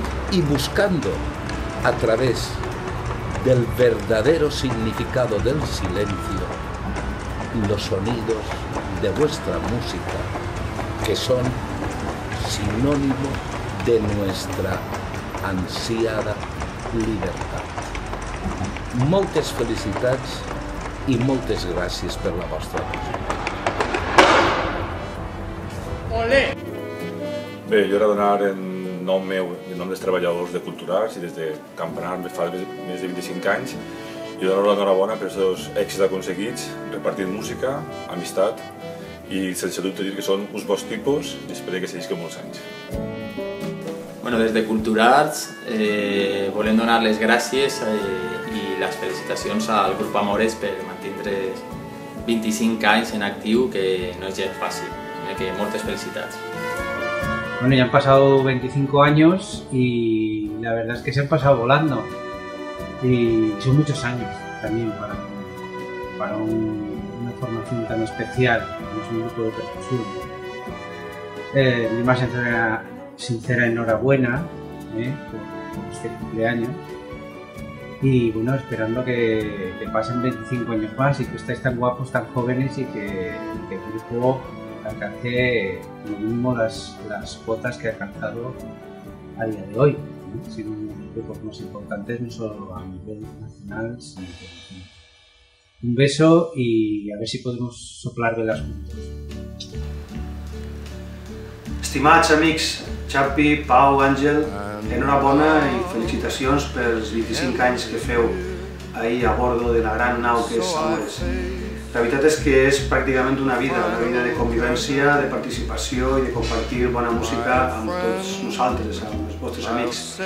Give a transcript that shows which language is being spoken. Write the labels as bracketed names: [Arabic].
[Spanish] y buscando a través del verdadero significado del silencio los sonidos de vuestra música que son sinónimo de nuestra ansiada libertad. [Catalan] Moltes felicitats i moltes gràcies per la vostra visita. Olé! Bé, jo era donar en nom meu, en nom dels treballadors de Culturals i des de Campanar fa més de 25 anys, i donar l'enhorabona per els dos èxits aconseguits, repartint música, amistat, i sense dubte dir que són uns bons tipus i esperem que segueixin molts anys. Bueno, des de Culturals volem donar les gràcies i les felicitacions al Grup Amores per mantindre 25 anys en actiu, que no és gens fàcil, que moltes felicitats. [Spanish] Bueno, ya han pasado 25 años y la verdad es que se han pasado volando. Y son muchos años también para una formación tan especial, como es un grupo de percusión. Mi más sincera enhorabuena por este cumpleaños. Y bueno, esperando que pasen 25 años más y que estéis tan guapos, tan jóvenes y que el grupo alcancé lo mismo las cuotas que ha alcanzado a día de hoy, siendo uno de los grupos más importantes, no solo a nivel nacional, sino que un beso y a ver si podemos soplar velas juntos. [Catalan] Estimats amics, Xapi, Pau, Àngel, enhorabona i felicitacions pels 25 anys que feu ahir a bordo de la gran nau que és Amores. La veritat és que és pràcticament una vida de convivència, de participació i de compartir bona música amb tots nosaltres, amb els vostres amics.